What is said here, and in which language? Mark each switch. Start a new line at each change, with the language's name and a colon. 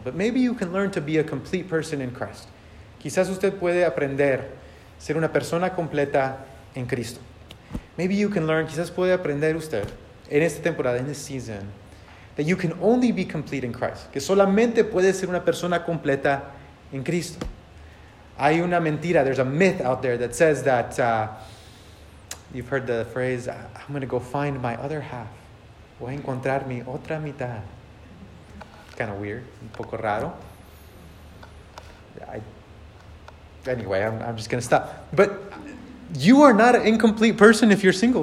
English: But maybe you can learn to be a complete person in Christ.
Spanish: Quizás usted puede aprender a ser una persona completa en Cristo.
English: Maybe you can learn,
Spanish: quizás puede aprender usted en esta temporada,
English: in this season, that you can only be complete in Christ.
Spanish: Que solamente puede ser una persona completa en Cristo. Hay una mentira,
English: there's a myth out there that says that, you've heard the phrase, I'm going to go find my other half.
Spanish: Voy a encontrar mi otra mitad.
English: Kind of weird,
Spanish: un poco raro.
English: I'm just going to stop. But you are not an incomplete person if you're single.